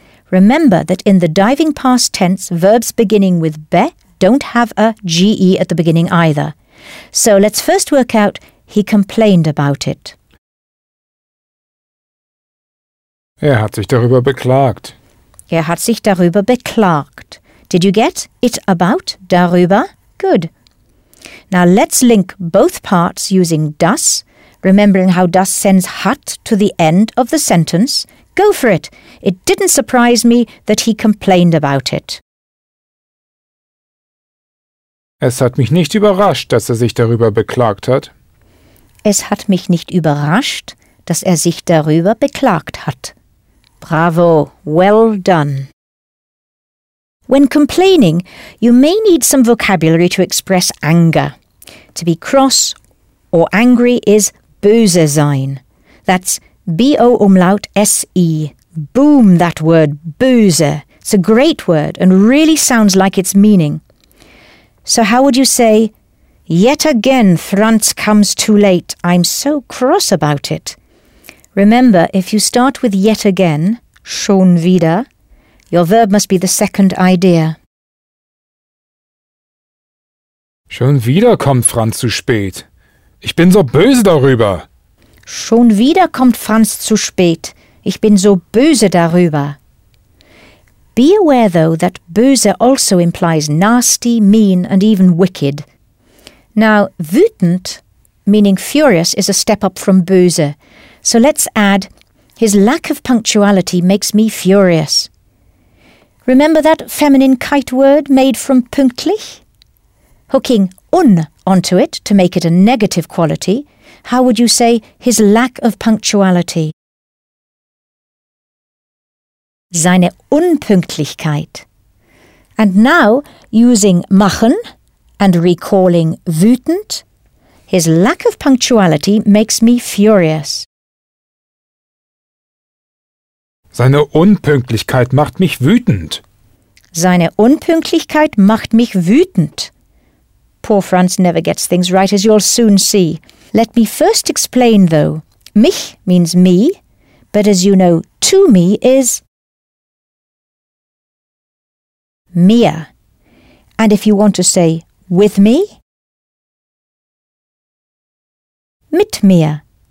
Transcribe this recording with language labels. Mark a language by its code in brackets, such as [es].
[en] Remember that in the diving past tense, verbs beginning with be don't have a ge at the beginning either. So let's first work out he complained about it. [de] Hat sich darüber beklagt. Hat sich darüber beklagt. [en] Did you get it about, darüber? Good. Now let's link both parts using das, remembering how das sends hat to the end of the sentence. Go for it. It didn't surprise me that he complained about it. [de] Es hat mich nicht überrascht, dass sich darüber beklagt hat. Es hat mich nicht überrascht, dass sich darüber beklagt hat. [en] Bravo. Well done. When complaining, you may need some vocabulary to express anger. To be cross or angry is böse sein. That's B-O umlaut S-E. Boom, that word, böse. It's a great word and really sounds like its meaning. So how would you say, yet again Franz comes too late. I'm so cross about it. Remember, if you start with yet again, schon wieder, your verb must be the second idea. [de] Schon wieder kommt Franz zu spät. Ich bin so böse darüber. Schon wieder kommt Franz zu spät. Ich bin so böse darüber. [en] Be aware, though, that böse also implies nasty, mean, and even wicked. Now, wütend, meaning furious, is a step up from böse. So let's add, his lack of punctuality makes me furious. Remember that feminine kite word made from pünktlich? Hooking un onto it to make it a negative quality, how would you say his lack of punctuality? [de] Seine Unpünktlichkeit. [en] And now, using machen and recalling wütend, his lack of punctuality makes me furious. [de] Seine Unpünktlichkeit macht mich wütend. Seine Unpünktlichkeit macht mich wütend. [en] Poor Franz never gets things right, as you'll soon see. Let me first explain, though. Mich means me, but as you know, to me is mir. And if you want to say with me, mit mir.